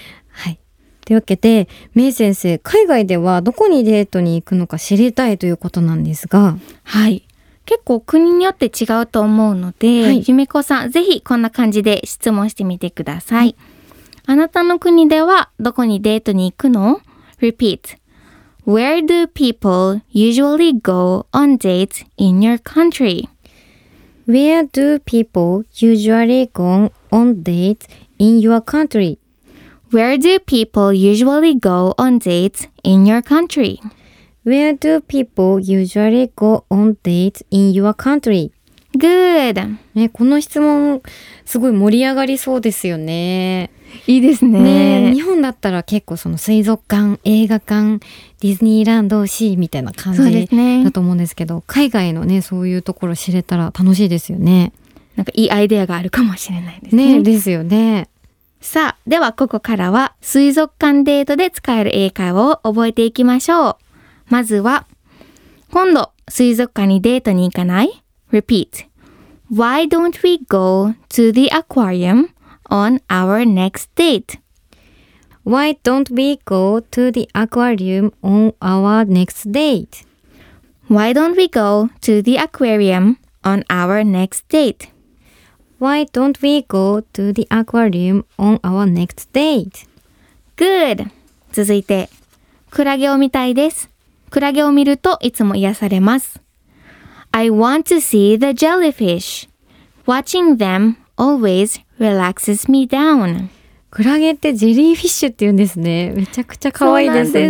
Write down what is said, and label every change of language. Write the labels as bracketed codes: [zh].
[ja] はい、というわけで、めい先生、海外ではどこにデートに行くのか知りたいということなんですが、はい、結構国によって違うと思うので、はい、ゆめこさん、ぜひこんな感じで質問してみてください。あなたの国ではどこにデートに行くの？ [en] Repeat. Where do people usually go on dates in your country? Where do people usually go on dates in your country? Where do people usually go on dates in your country? Where do people usually go on dates in your country? Good!、 [ja] ね、この質問すごい盛り上がりそうですよね。いいです ね。日本だったら結構その水族館、映画館、ディズニーランドシーみたいな感じだと思うんですけど、海外のね、そういうところ知れたら楽しいですよね。なんかいいアイデアがあるかもしれないです ね。ですよね。さあ、ではここからは水族館デートで使える英会話を覚えていきましょう。まずは、今度水族館にデートに行かない？ [en] Repeat. Why don't we go to the aquarium on our next date? Why don't we go to the aquarium on our next date? Why don't we go to the aquarium on our next date? Why don't we go to the aquarium on our next date? Good! [ja] 続いて、クラゲを見たいです。クラゲを見るといつも癒されます。 [en] I want to see the jellyfish. Watching them always relaxes me down. [ja] クラゲってジェリーフィッシュって言うんですね。めちゃくちゃ可愛いですね。